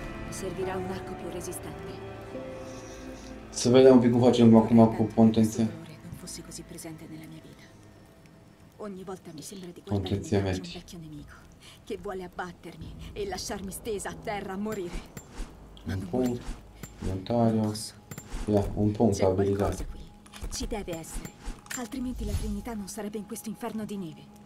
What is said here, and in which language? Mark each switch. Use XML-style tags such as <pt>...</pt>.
<it>Servirà un arco più resistente.</it> <ro>Să vedem un pic cum facem acum cu pontenția.</ro> <it>Non fosse così presente nella mia vita. Ogni volta mi sembra di guardare un vecchio nemico che vuole abbattermi e lasciarmi stesa a terra a morire. Un punto. Inventario. Un punto abilità. Ci deve essere, altrimenti la Trinità non sarebbe in questo inferno di neve.</it>